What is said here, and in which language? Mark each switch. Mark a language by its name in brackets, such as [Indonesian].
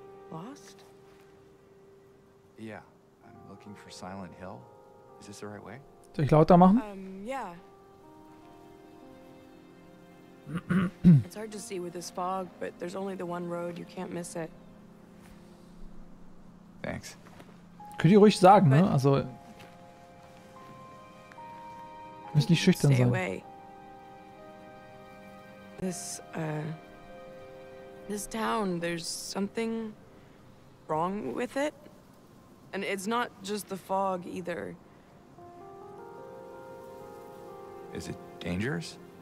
[English] Lost? Yeah, I'm looking for Silent Hill. Is this the right way? [German] Soll ich lauter machen? [English] Yeah. It's hard to see with this fog, but there's only the one road. You can't miss it. Thanks. [German] Könnt ihr ruhig sagen, ne? Also... Müsst nicht schüchtern sein. [English] Away. This, this town, there's something wrong with it. And it's not just the fog, either. Is it dangerous?